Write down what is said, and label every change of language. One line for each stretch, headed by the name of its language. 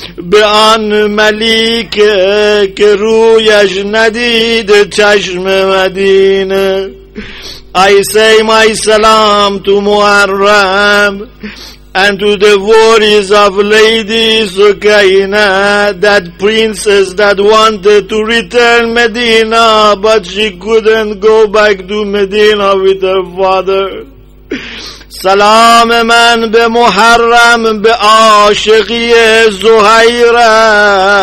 Persian: به آن ملیک که رویش ندید چشم مدینه.
English: I say my salam to Muharram and to the worries of Lady Sukaina, that princess that wanted to return Medina but she couldn't go back to Medina with her father.
Persian: سلام من به محرم به عاشقی زهیرش.